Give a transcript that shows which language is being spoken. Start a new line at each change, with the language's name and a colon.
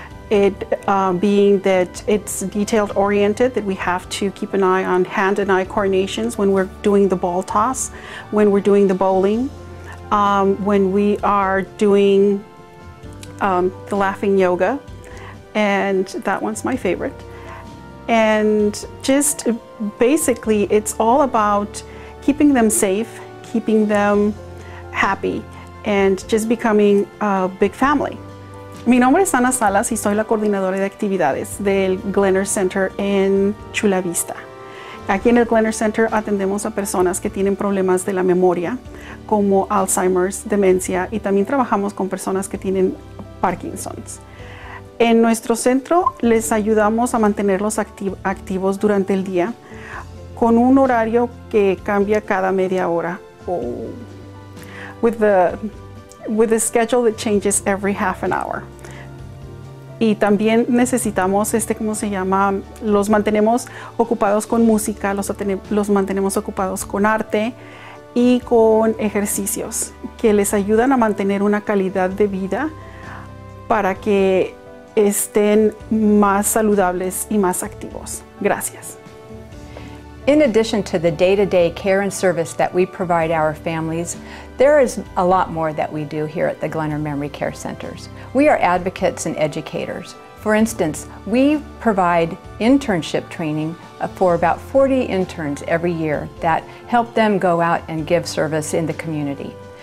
English: Being that it's detailed oriented, that we have to keep an eye on hand and eye coordinations when we're doing the ball toss, when we're doing the bowling, when we are doing the laughing yoga. And that one's my favorite. And just basically, it's all about keeping them safe, keeping them happy, and just becoming a big family.
Spanish: Mi nombre es Ana Salas y soy la coordinadora de actividades del Glenner Center en Chula Vista. Aquí en el Glenner Center atendemos a personas que tienen problemas de la memoria, como Alzheimer's, demencia, y también trabajamos con personas que tienen Parkinson's. En nuestro centro les ayudamos a mantenerlos activos durante el día con un horario que cambia cada media hora.
English: With the schedule that changes every half an hour.
Spanish: Y también necesitamos ¿cómo se llama? Los mantenemos ocupados con música, los mantenemos ocupados con arte y con ejercicios que les ayudan a mantener una calidad de vida para que estén más saludables y más activos. Gracias.
English: In addition to the day-to-day care and service that we provide our families, there is a lot more that we do here at the Glenner Memory Care Centers. We are advocates and educators. For instance, we provide internship training for about 40 interns every year that help them go out and give service in the community.